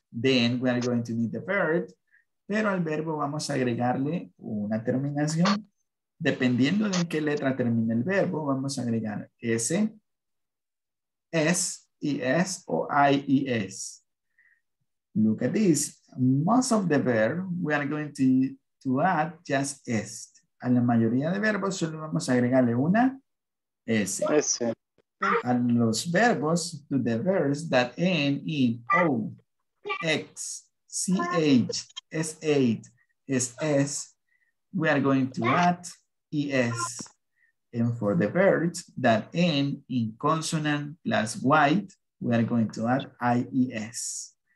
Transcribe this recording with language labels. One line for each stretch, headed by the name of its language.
English: Then we are going to need the verb.
Spanish: Pero al verbo vamos a agregarle una terminación. Dependiendo de en qué letra termine el verbo, vamos a agregar S, S, I, S, o I, E, S.
English: Look at this. Most of the verb, we are going to add just S.
Spanish: A la mayoría de verbos, solo vamos a agregarle una S. S. A los verbos,
English: to the verbs that end in O, X, CH, SH, SS, we are going to add ES. And for the verbs that end in consonant plus white, we are going to add IES.